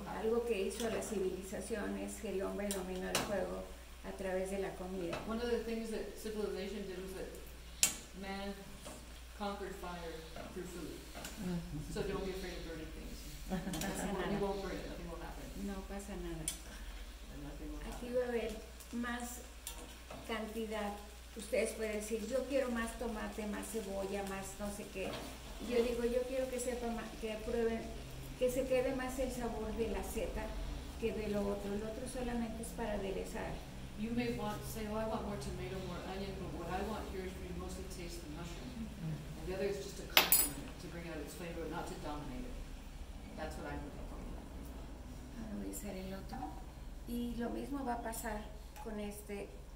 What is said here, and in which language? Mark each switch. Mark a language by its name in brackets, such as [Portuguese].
[Spanish] Algo que hizo la civilización es que el hombre dominó el fuego a través de la comida. [English] One of the things that civilization did was that man conquered fire through food. So don't be afraid of burning things. You won't burn it. Nothing will happen. [Spanish] No pasa nada. [English] And nothing will happen. [Spanish] Aquí va a haber más cantidad. Ustedes pueden decir, yo quiero más tomate, más cebolla, más no sé qué. Yo digo, yo quiero que sepa más, que prueben, que se quede más el sabor de la seta que de lo otro. El otro solamente es para aderezar. [English] You may want to say, oh, I want more tomato, more onion, but what I want here is for you mostly taste the mushroom. Mm-hmm. And the other is just a complement to bring out its flavor, not to dominate it. That's what I'm looking for. [Spanish] Ahora voy a hacer el otro. Y lo mismo va a pasar con este.